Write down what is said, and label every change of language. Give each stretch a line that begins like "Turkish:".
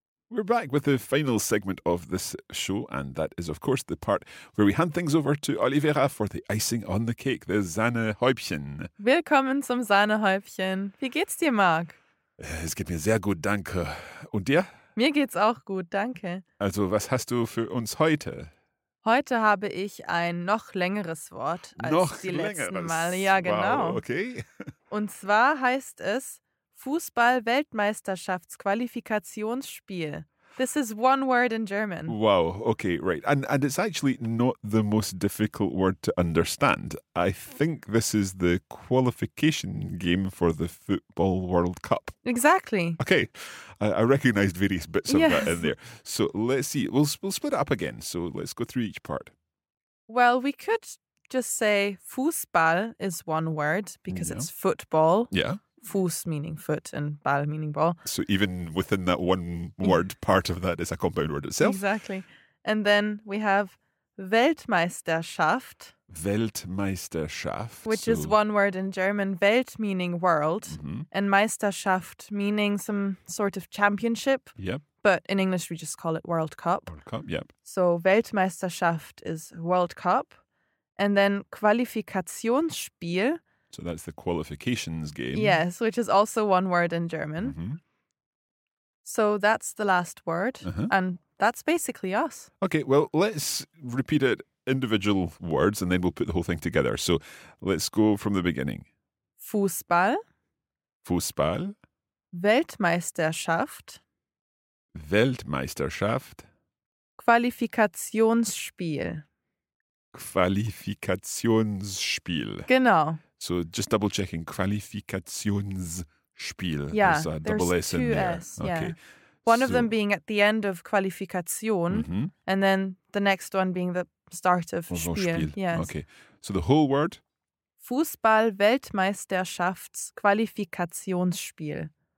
English: We're back with the final segment of this show, and that is, of course, the part where we hand things over to Oliveira for the icing on the cake, the Sahnehäubchen.
German: Willkommen zum Sahnehäubchen. Wie geht's dir, Marc? Es geht mir sehr gut, danke. Und dir? Mir geht's auch gut, danke. Also, was hast du für uns heute? Heute habe ich ein noch längeres Wort als noch die längeres. Letzten Male. Ja, genau.
English: Wow, okay.
German: Und zwar heißt es Fußball-Weltmeisterschaftsqualifikationsspiel.
English: This is one word in German. Wow, okay, right. And it's actually not the most difficult word to understand. I think this is the qualification game for the Football World Cup. Exactly. Okay, I recognized various bits of that in there. So let's see, we'll split it up again. So let's go through each part. Well, we could just say Fußball is one word because it's football. Yeah. Fuß meaning foot and ball meaning ball. So even within that one word, part of that is a compound word itself. Exactly. And then we have Weltmeisterschaft.
German: Weltmeisterschaft.
English: Which is one word in German. Welt meaning world. Mm-hmm. And Meisterschaft meaning some sort of championship. Yep. But in English we just call it World Cup. World Cup, yep. So Weltmeisterschaft is World Cup. And then Qualifikationsspiel. So that's the qualifications game. Yes, which is also one word in German. Mm-hmm. So that's the last word. Uh-huh. And That's basically us. Okay, well, let's repeat it individual words and then we'll put the whole thing together. So let's go from the beginning.
German: Fußball. Fußball. Weltmeisterschaft. Weltmeisterschaft. Qualifikationsspiel. Qualifikationsspiel. Genau.
English: So just double checking.
German: Qualifikationsspiel.
English: Yeah, there's a double S in there. S, yeah. Okay. One of them being at the end of Qualifikation, and then the next one being the start of Spiel. Yes. Okay. So the whole word?
German: Fußball-Weltmeisterschafts-Qualifikationsspiel.